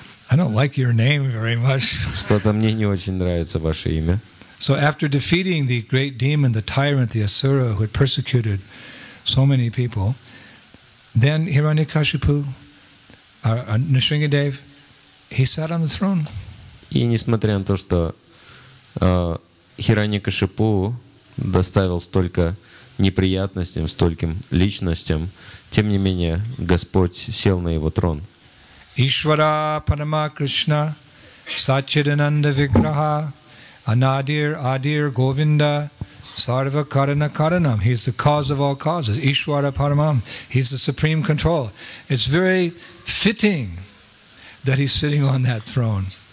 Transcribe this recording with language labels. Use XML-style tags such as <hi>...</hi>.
<en>I don't like your name very much.</en> <ru>Что-то мне не очень нравится ваше имя.</ru> <en>So after defeating the great demon, the tyrant, the asura, who had persecuted so many people, Then Hiranyakashipu, Nrisimhadev, he sat on the throne.</en> <ru>И несмотря на то, что Хираньякашипу доставил столько неприятностей стольким личностям, тем не менее Господь сел на его трон.</ru> <sa>Ишвара Панама Кришна Сачидананда Виграха Анадир Адир Говинда Sarva Karana Karanam.</sa> <en>He's the cause of all causes.</en> <sa>Ishwara Paramam.</sa> <en>He's the supreme control. It's very fitting that he's sitting on that throne.</en>